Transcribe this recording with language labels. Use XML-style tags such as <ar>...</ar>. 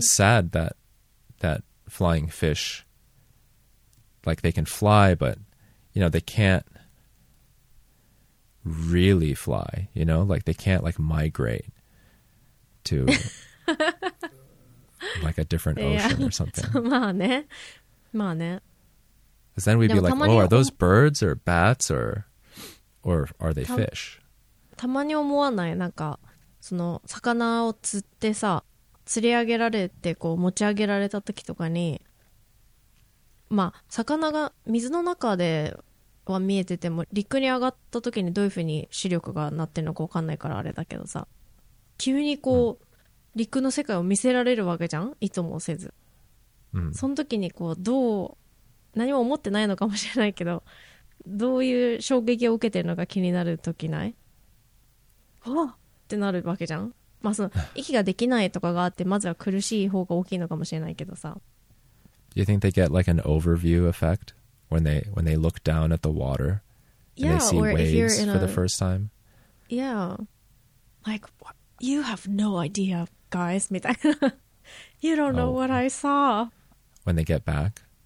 <en>Sad that flying fish, like they can fly, but, you know, they can't really fly, you know, like they can't like migrate to like a different ocean or something.</en> <ja>まあね</ja> <en>Because then we'd be like, oh, are those birds or bats or are they fish?</en> <ja>たまに思わない? なんかその魚を釣ってさ釣り上げられてこう持ち上げられた時とかにまあ魚が水の中では見えてても陸に上がった時にどういう風に視力がなってるのか分かんないからあれだけどさ急にこう、うん、陸の世界を見せられるわけじゃんいつもせず、うん、その時にこうどう何も思ってないのかもしれないけどどういう衝撃を受けてるのか気になる時ないはっってなるわけじゃんまあその息ができないとかがあってまずは苦しい方が大きいのかもしれないけどさ</ja> <en>Do you think they get like an overview effect? When they look down at the water and they see waves for the first time. Yeah. Like, what? You have no idea, guys. You don't know what I saw. When they get back?</en>